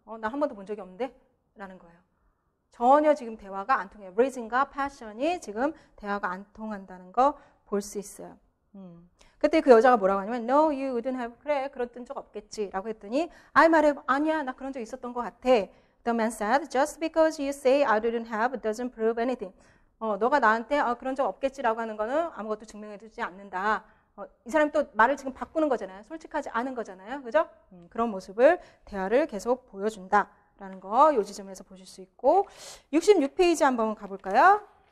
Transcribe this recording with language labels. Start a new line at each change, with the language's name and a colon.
Korean: 나 한 번도 본 적이 없는데? 라는 거예요. 전혀 지금 대화가 안 통해요. Reason과 passion이 지금 대화가 안 통한다는 거 볼 수 있어요. 그때 그 여자가 뭐라고 하냐면
English: No, you wouldn't have.
Korean: 그래, 그랬던 적 없겠지. 라고 했더니
English: I might have.
Korean: 아니야, 나 그런 적 있었던 것 같아.
English: The man said, just because you say I wouldn't have doesn't prove anything.
Korean: 너가 나한테 그런 적 없겠지라고 하는 거는 아무것도 증명해주지 않는다. 이 사람이 또 말을 지금 바꾸는 거잖아요. 솔직하지 않은 거잖아요. 그죠? 그런 모습을 대화를 계속 보여준다라는 거 요 지점에서 보실 수 있고 66페이지 한번 가볼까요?